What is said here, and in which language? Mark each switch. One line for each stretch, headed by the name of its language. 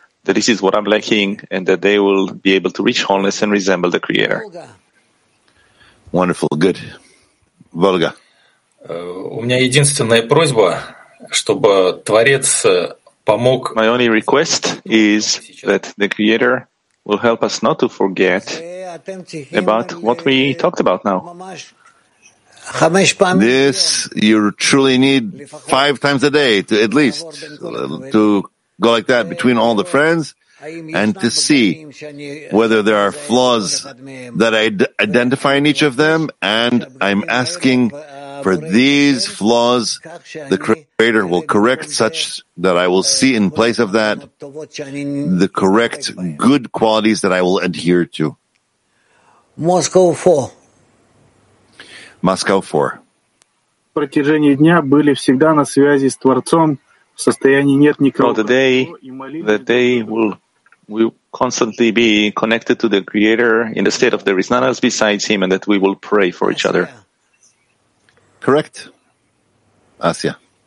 English: That this is what I'm lacking, and that they will be able to reach wholeness and resemble the Creator. Wonderful, good. Volga.
Russian: У меня единственная просьба, чтобы Творец помог.
English: My only request is that the Creator will help us not to forget about what we talked about now. This you truly need 5 times a day, to at least to. Go like that between all the friends and to see whether there are flaws that I identify in each of them, and I'm asking for these flaws the Creator will correct such that I will see in place of that the correct good qualities that I will adhere to. Moscow 4.
Russian: В протяжении дня были всегда на связи с Творцом.
English: Throughout the day, that they will constantly be connected to the Creator in the state of there is none else besides Him, and that we will pray for each other. Correct. Asia.